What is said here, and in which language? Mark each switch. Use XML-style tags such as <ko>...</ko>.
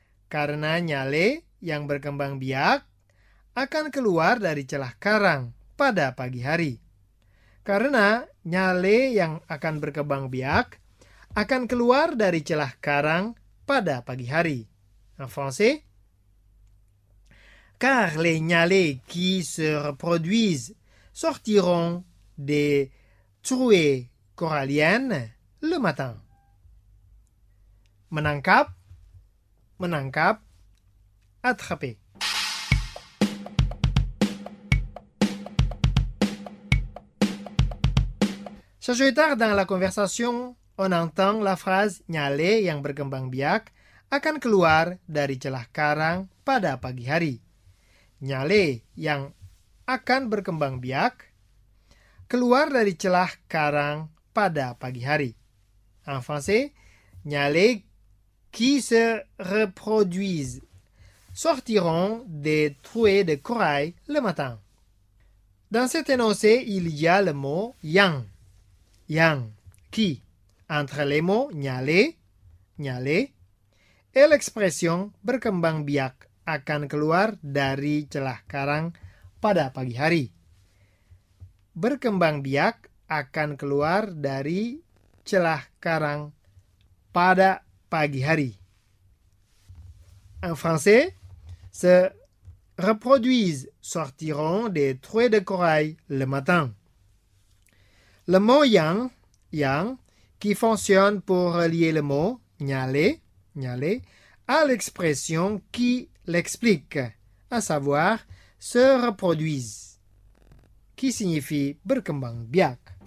<id>Karena nyale yang berkembang biak akan keluar dari celah karang pada pagi hari. Karena nyale yang akan berkembang biak akan keluar dari celah karang pada pagi hari.</id> <fr>En français. Car les nyales qui se reproduisent sortiront des trouées coralienne le matin.</fr> <id>Menangkap, menangkap,</id> <fr>attraper. Chers auditeurs, dans la conversation, on entend la phrase</fr> <id>nyale yang berkembang biak akan keluar dari celah karang pada pagi hari. Nyale yang akan berkembang biak keluar dari celah karang pada pagi hari.</id> <fr>En français, nyale qui se reproduisent sortiront des trouées de corail le matin. Dans cet énoncé, il y a le mot yang. Yang, qui. Entre les mots nyale, nyale et l'expression</fr> <id>berkembang biak, akan keluar dari celah karang pada pagi hari. Berkembang biak akan keluar dari celah karang pada pagi hari.</id> <fr>En français, se reproduisent sortiront des trous de corail le matin. Le mot yang, yang, qui fonctionne pour relier le mot nyale, nyale, à l'expression qui l'explique, à savoir se reproduisent, qui signifie</fr> <id>berkembang biak.</id>